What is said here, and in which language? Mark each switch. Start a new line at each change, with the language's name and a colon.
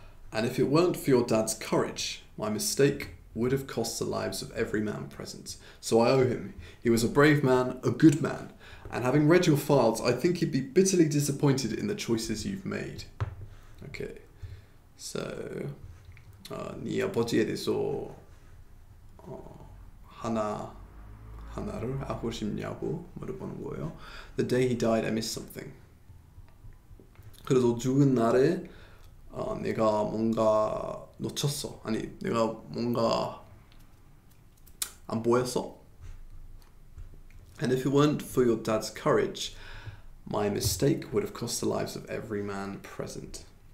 English: And if it weren't for your dad's courage, my mistake would have cost the lives of every man present. So I owe him. He was a brave man, a good man. And having read your files, I think he'd be bitterly disappointed in the choices you've made. Okay.
Korean: So, 네 아버지에 대해서 하나를 하고 싶냐고 물어보는 거예요.
English: The day he died, I missed something.
Korean: 그래서 죽은 날에 내가 뭔가 놓쳤어. 아니, 내가 뭔가 안 보였어.
English: And if it weren't for your dad's courage, my mistake would have cost the lives of every man present.